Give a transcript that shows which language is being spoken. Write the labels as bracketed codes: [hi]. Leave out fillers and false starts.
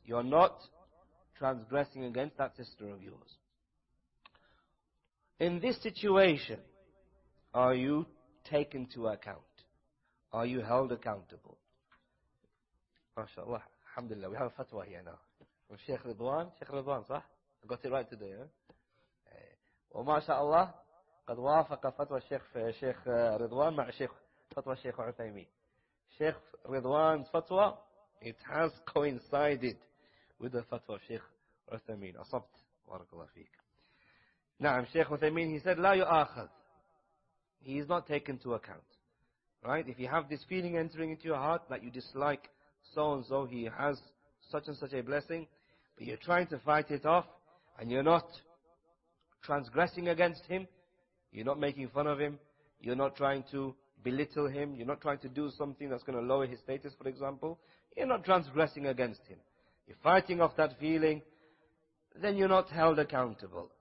[en] You're not transgressing against that sister of yours. In this situation, are you taken to account? Are you held accountable? MashaAllah, alhamdulillah, we have a fatwa here now. From Sheikh Ridwan. Sheikh Ridwan, [ar] صح? [en] I got it right today, huh? [ar] MashaAllah, قد وافق فتوى الشيخ رضوان مع شيخ فتوى الشيخ عثيمين. [en] Sheikh Ridwan's fatwa, it has coincided with the fatwa of Sheikh Uthaymeen. [ar] أصبت بارك الله فيك. نعم [en] شيخ عثيمين, he said [ar] لا يؤاخذ, [en] he is not taken to account, right? If you have this feeling entering into your heart that you dislike so and so, he has such and such a blessing, but you're trying to fight it off and you're not transgressing against him, you're not making fun of him, you're not trying to belittle him, you're not trying to do something that's going to lower his status, for example, you're not transgressing against him, you're fighting off that feeling, then you're not held accountable.